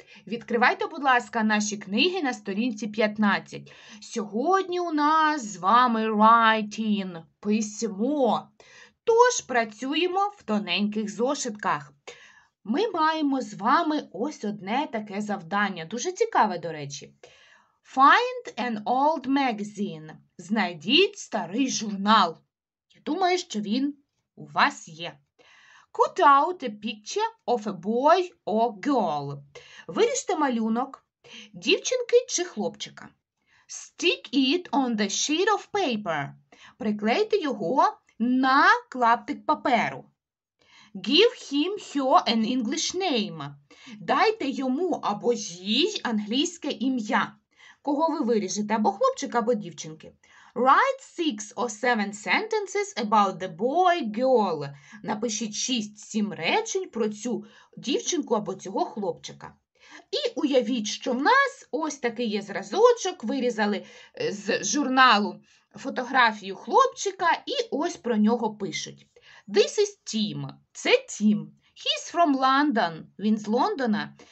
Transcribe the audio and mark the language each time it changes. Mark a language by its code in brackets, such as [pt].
[uk] Відкривайте, будь ласка, наші книги на сторінці 15. Сьогодні у нас з вами writing – письмо. Тож, працюємо в тоненьких зошитках. Ми маємо з вами ось одне таке завдання, дуже цікаве, до речі. [en] Find an old magazine – [uk] знайдіть старий журнал. Я думаю, що він у вас є. [en] Cut out a picture of a boy or girl. [uk] Виріжте малюнок дівчинки чи хлопчика. [en] Stick it on the sheet of paper. [uk] Приклейте його на клаптик паперу. [en] Give him her an English name. [uk] Дайте йому або їй англійське ім'я. Кого ви виріжете, або хлопчика, або дівчинки. [en] Write 6 or 7 sentences about the boy, girl. [uk] Напишіть 6-7 речень про цю дівчинку або цього хлопчика. І уявіть, що в нас ось такий є зразочок, вирізали з журналу фотографію хлопчика і ось про нього пишуть. [en] This is Tim. [uk] Це Тім. [en] He's from London. [uk] Він з Лондона.